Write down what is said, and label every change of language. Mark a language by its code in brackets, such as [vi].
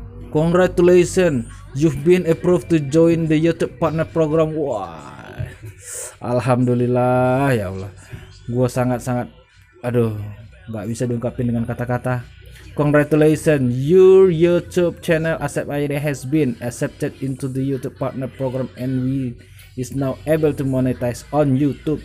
[en] Congratulations, you've been approved to join the YouTube Partner Program. [id] Wah, alhamdulillah ya Allah. Gua sangat-sangat, aduh, gak bisa diungkapin dengan kata-kata. [en] Congratulations, your YouTube channel Asep Ayri has been accepted into the YouTube Partner Program and we is now able to monetize on YouTube.